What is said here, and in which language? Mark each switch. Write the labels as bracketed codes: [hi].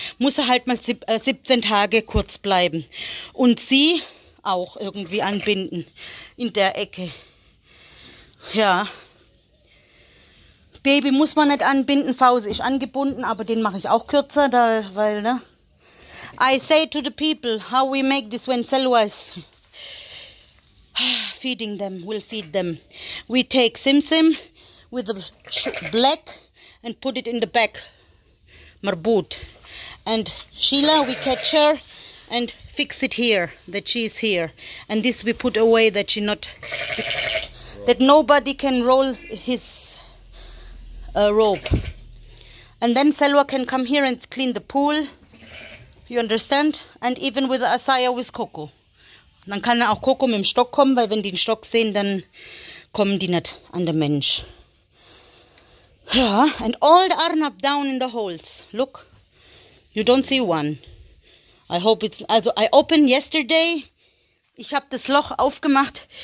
[de] Muss er halt mal 17 Tage kurz bleiben. Und sie auch irgendwie anbinden. In der Ecke. Ja. Baby muss man nicht anbinden. Fause ist angebunden, aber den mache ich auch kürzer, da, weil, ne? [en] I say to the people, how we make this when Selwa is feeding them, we'll feed them. We take Simsim with the black and put it in the back. Marbut. And Sheila, we catch her and fix it here, that she's here. And this we put away that she not, that nobody can roll his rope. And then Selwa can come here and clean the pool. You understand? And even with the Asaya with Coco. [de] Dann kann er auch Coco mit dem Stock kommen, weil wenn die den Stock sehen, dann kommen die nicht an den Mensch. [en] Ja, and all the Arnab down in the holes. Look, you don't see one. I hope it's, also I opened yesterday. [de] Ich habe das Loch aufgemacht.